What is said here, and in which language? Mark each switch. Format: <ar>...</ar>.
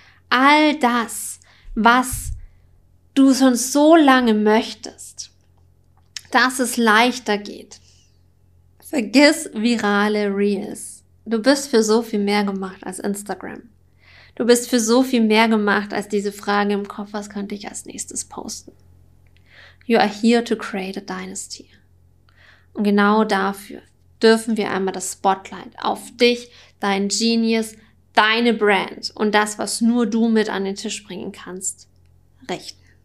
<de>All das, was du schon so lange möchtest, dass es leichter geht. Vergiss virale Reels. Du bist für so viel mehr gemacht als Instagram. Du bist für so viel mehr gemacht als diese Frage im Kopf, was könnte ich als nächstes posten?</de> <en>You are here to create a dynasty.</en> <de>Und genau dafür dürfen wir einmal das Spotlight auf dich, dein Genius, deine Brand und das, was nur du mit an den Tisch bringen kannst, richten.</de>